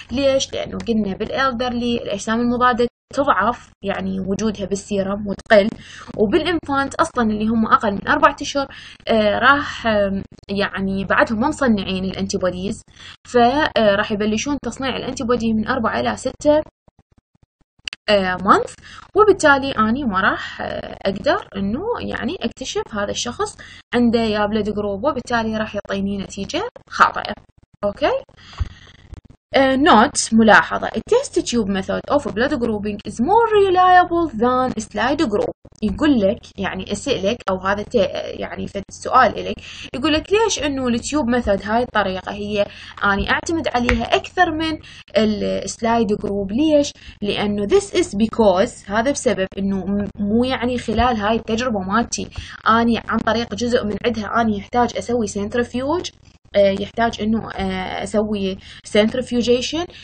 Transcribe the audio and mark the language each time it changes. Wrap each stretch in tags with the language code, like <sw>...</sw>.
<ar>ليش؟ لانه قلنا بالالدرلي الاجسام المضاده تضعف يعني وجودها بالسيرم وتقل، وبالإنفانت أصلا اللي هم أقل من 4 أشهر راح يعني بعدهم ما مصنعين الأنتيبوديز، فراح يبلشون تصنيع الأنتيبودي من 4 إلى 6 مانث، وبالتالي أني ما راح أقدر إنه يعني أكتشف هذا الشخص عنده يا بلد جروب، وبالتالي راح يعطيني نتيجة خاطئة. أوكي.</ar> <en>Note</en> <ar>ملاحظة:</ar> <en>A test tube method of blood grouping is more reliable than a slide group.</en> <ar>يقول لك يعني أسألك أو هذا يعني فد سؤال إلك، يقول لك ليش إنه التيوب ميثود هاي الطريقة هي أني أعتمد عليها أكثر من السلايد جروب؟ ليش؟ لأنه</ar> <en>this is because،</en> <ar>هذا بسبب إنه مو يعني خلال هاي التجربة مالتي أني عن طريق جزء من عدها أني يحتاج أسوي سنترفيوج، يحتاج انه اسوي سنترفيوجيشن.</ar>